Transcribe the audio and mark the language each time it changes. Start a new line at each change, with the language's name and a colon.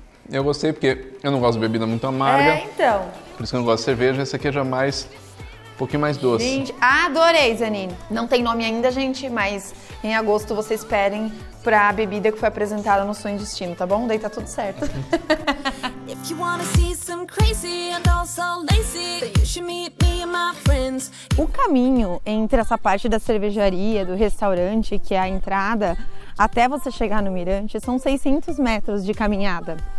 Portuguese: Eu gostei porque eu não gosto de bebida muito amarga. É, então. Por isso que eu não gosto de cerveja. Essa aqui é já mais, um pouquinho mais doce. Gente, adorei, Zanini. Não tem nome ainda, gente, mas em agosto vocês esperem pra bebida que foi apresentada no Sonho Destino, tá bom? Daí tá tudo certo.
English: If you wanna see some crazy and also lazy, you should meet me and my friends.
Portuguese: O caminho entre essa parte da cervejaria, do restaurante, que é a entrada, até você chegar no mirante, são 600 metros de caminhada.